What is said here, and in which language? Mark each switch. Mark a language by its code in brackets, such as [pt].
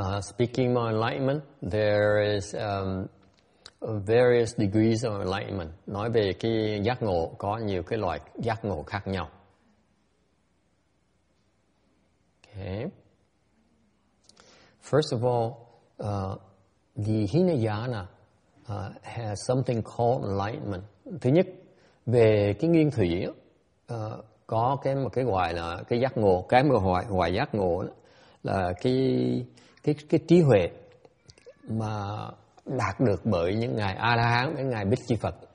[en] Speaking of enlightenment, there is various degrees of enlightenment. [vi] Nói về cái giác ngộ, có nhiều cái loại giác ngộ khác nhau. [en] First of all, the Hinayana has something called enlightenment. [vi] Thứ nhất, về cái nguyên thủy, có cái một cái gọi là cái giác ngộ, cái mà gọi gọi giác ngộ là cái trí huệ mà đạt được bởi những ngài A-la-hán, những ngài Bích-chi Phật.